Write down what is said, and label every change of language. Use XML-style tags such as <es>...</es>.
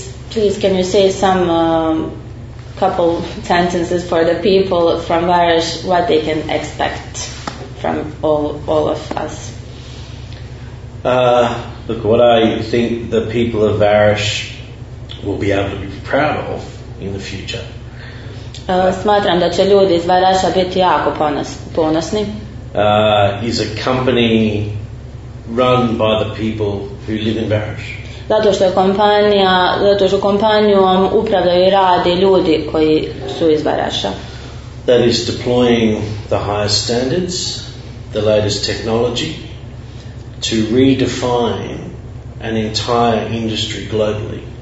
<en>Please, can you say some couple sentences for the people from Varaz, what they can expect from all of us? Look, what I think the people of Varaz will be able to be proud of in the future.</en> <bs>Smatram da će ljudi iz Varaša biti jako ponosni.</bs> <en>Is a company run by the people who live in Varaz.</en> <bs>Zato što je kompanija, zato što kompanijom upravljaju i rade ljudi koji su iz Varaša.</bs> <en>That is deploying the highest standards, the latest technology to redefine an entire industry globally.</en>